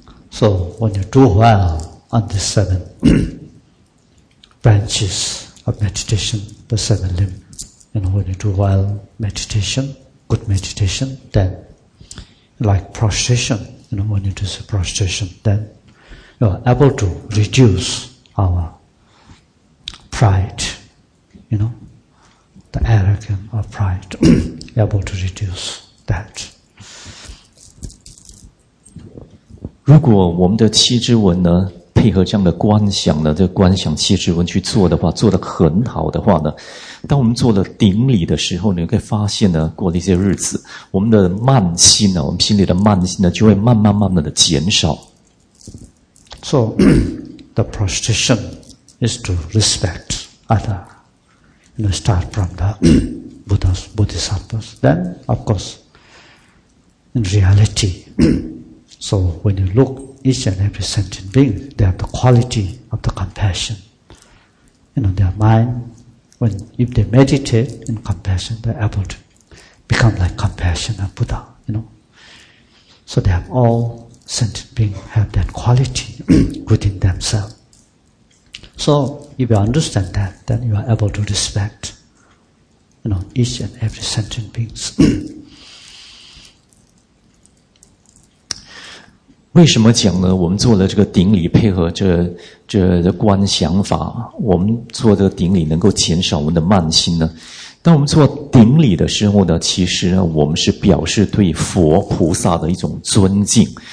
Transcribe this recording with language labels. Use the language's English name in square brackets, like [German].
[English] So when you do well on the seven branches of meditation, the seven limb, and when you do well meditation, good meditation, thenLike prostration, you know, when you do the prostration, then you are able to reduce our pride, you know, the arrogance of pride, able to reduce that. [Chinese] 如果我们的七支文呢配合这样的观想呢，这个观想七支文去做的话，做得很好的话呢，当我们做了顶礼的时候，你会发现呢，过了一些日子，我们的慢心呢，我们心里的慢心呢，就会慢慢的减少。 [English] So, the prostration is to respect other. You know, start from the Buddha's Bodhisattvas. Then, of course, in reality, so when you look. Each and every sentient being, they have the quality of the compassion. You know, their mind, if they meditate in compassion, they're able to become like compassionate Buddha, you know. So they have all sentient beings have that quality within themselves. So if you understand that, then you are able to respect, you know, each and every sentient beings. [Chinese] 为什么讲呢？我们做了这个顶礼，配合这观想法，我们做这个顶礼能够减少我们的慢心呢？当我们做顶礼的时候呢，其实呢，我们是表示对佛菩萨的一种尊敬。